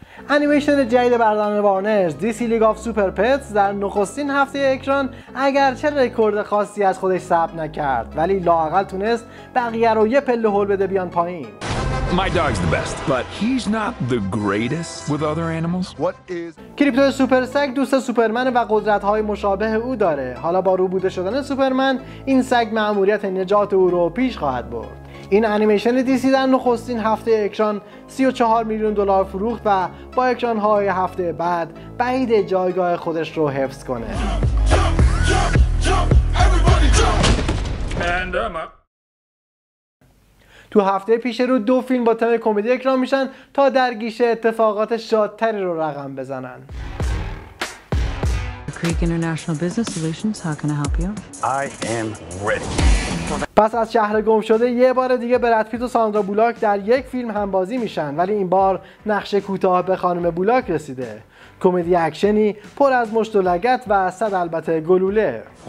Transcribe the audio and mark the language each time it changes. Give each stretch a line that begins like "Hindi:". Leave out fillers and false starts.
Persian: انیمیشن جدید برادران وارنر دی سی لیگ آف سوپر پتس در نخستین هفته اکران اگرچه رکورد خاصی از خودش ثبت نکرد، ولی لااقل تونست بقیه رو یه پله هول بده بیان پایین.
English: My dog's the best, but he's not the greatest with other animals. What
Persian: is کریپتو سوپر سگ دوست سوپرمن و قدرت‌های مشابه او داره. حالا با روبوده شدن سوپرمن، این سگ مأموریت نجات او رو پیش خواهد برد. این انیمیشن دیسی در نخستین هفته اکران 34 میلیون دلار فروخت و با اکران‌های هفته بعد بعید جایگاه خودش رو حفظ کنه. تو هفته پیش رو دو فیلم با تم کمدی اکران میشن تا در گیشه اتفاقات شادتری رو رقم بزنن.
English: Creek International Business Solutions, how can I help you? I am ready.
Persian: پس از شهر گم شده یه بار دیگه براد پیت و ساندرا بولاک در یک فیلم همبازی میشن، ولی این بار نقش کوتاه به خانم بولاک رسیده. کمدی اکشنی پر از مشت و لگد و صد البته گلوله.